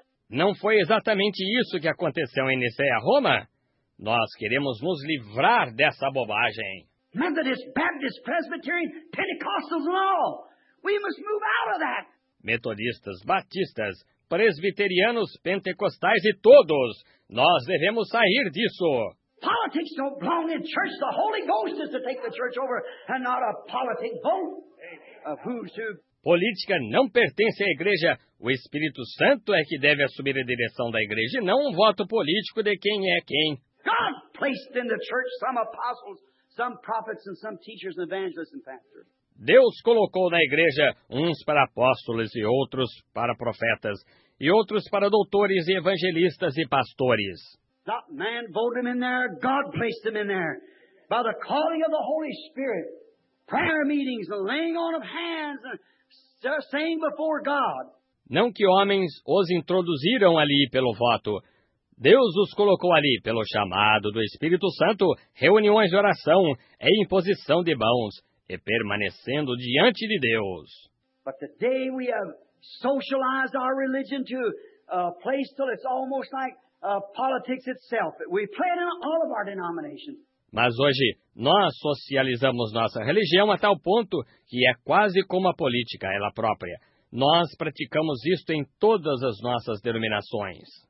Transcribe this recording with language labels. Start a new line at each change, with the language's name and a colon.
Portuguese: Não foi exatamente isso que aconteceu em Niceia, Roma? Nós queremos nos livrar dessa bobagem.
English: Methodist, Baptist, Presbyterian, Pentecostals and all. We must move out of that.
Portuguese: Metodistas, batistas, presbiterianos, pentecostais e todos, nós devemos sair disso.
English: Politics don't belong in church. The Holy Ghost is to take the church over and not a politic vote of who's who.
Portuguese: Política não pertence à igreja. O Espírito Santo é que deve assumir a direção da igreja, e não um voto político de quem é quem.
English: God placed in the church some apostles, some prophets, and some teachers, and evangelists, and pastors.
Portuguese: Deus colocou na igreja uns para apóstolos e outros para profetas, e outros para doutores e evangelistas e pastores.
English: Not man voted them in there, God placed them in there. By the calling of the Holy Spirit, prayer meetings, laying on of hands, saying before God.
Portuguese: Não que homens os introduziram ali pelo voto. Deus os colocou ali pelo chamado do Espírito Santo, reuniões de oração e imposição de mãos. E permanecendo diante de Deus.
English: But today we have socialized our religion to a place till it's almost like politics itself. We play it in all of our denominations.
Portuguese: Mas hoje nós socializamos nossa religião a tal ponto que é quase como a política ela própria. Nós praticamos isto em todas as nossas denominações.